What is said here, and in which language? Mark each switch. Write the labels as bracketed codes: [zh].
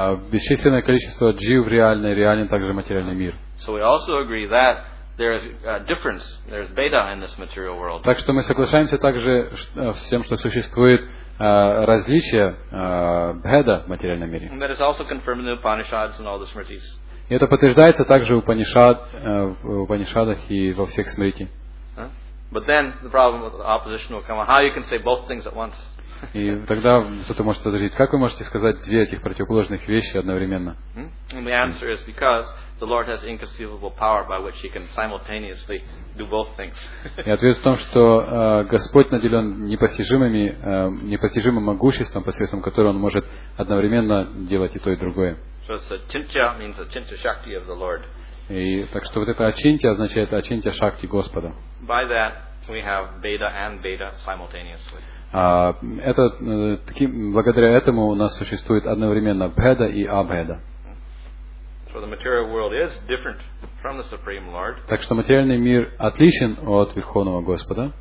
[ru] Бесчисленное количество джив реально, и реален также материальный мир. [en] So we also agree that there is a difference, there is beta in this material world. [ru] Так что мы соглашаемся также с тем, что существует различие бхеда в материальном мире. [en] And that is also confirmed in the Upanishads and all the Smritis. [ru] И это подтверждается также в Упанишадах и во всех Смритах. [en] But then the problem with the opposition will come. How you can say both things at once? [ru] И тогда кто-то может возразить, как вы можете сказать две этих противоположных вещи одновременно? [en] And the answer is because the Lord has inconceivable power by which He can simultaneously do both things. [ru] И ответ в том, что Господь наделен непостижимым могуществом, посредством которого Он может одновременно делать и то, и другое. [en] So it's a chintya, means a chintya shakti of the Lord. [ru] И так что вот это ачинтья означает ачинтья шакти Господа. [en] By that we have beta and beta simultaneously. [ru] Это таким, благодаря этому у нас существует одновременно бхеда и абхеда. [en] So the material world is different from the Supreme Lord. [ru] Так что материальный мир отличен от Верховного Господа.